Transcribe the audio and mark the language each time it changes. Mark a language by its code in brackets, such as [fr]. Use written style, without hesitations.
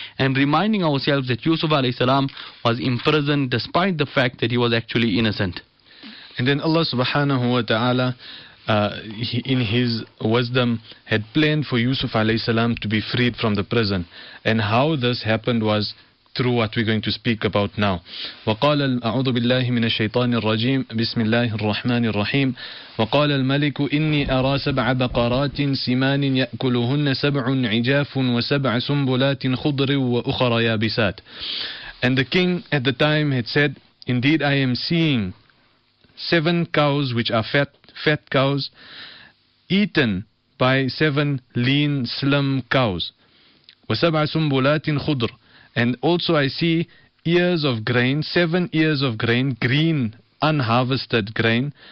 [en] And reminding ourselves that Yusuf alayhi salam was imprisoned despite the fact that he was actually innocent. And then Allah subhanahu wa ta'ala, in his wisdom, had planned for Yusuf alayhi salam to be freed from the prison. And how this happened was through what we're going to speak about now. [ar] وقال أعوذ بالله من الشيطان الرجيم بسم الله الرحمن الرحيم وقال الملك إني أرى سبع بقرات سمان يأكلهن سبع عجاف وسبع سنبلات خضر وأخرى يابسات. [en] And the king at the time had said, indeed I am seeing seven cows which are fat cows eaten by seven lean slim cows [ar] وسبع سنبلات خضر. [en] And also I see ears of grain, seven ears of grain, green, unharvested grain.